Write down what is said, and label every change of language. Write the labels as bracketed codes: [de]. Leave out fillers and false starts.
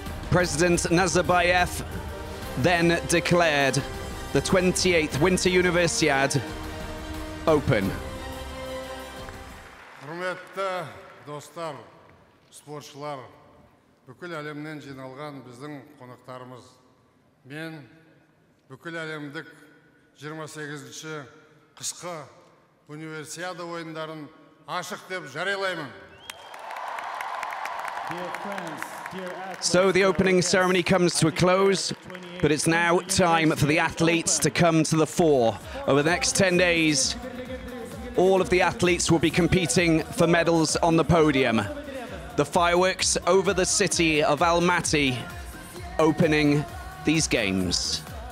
[en] President Nazarbayev then declared the 28th Winter Universiade open. [kk] Құрметті достар, спортшылар, бүкіл әлемнен жиналған біздің қонақтарымыз. Мен бүкіл әлемдік 28-ші қысқы Универсиада ойындарын ашық деп жариялаймын. [en] So the opening ceremony comes to a close, but it's now time for the athletes to come to the fore. Over the next 10 days, all of the athletes will be competing for medals on the podium. The fireworks over the city of Almaty opening these games.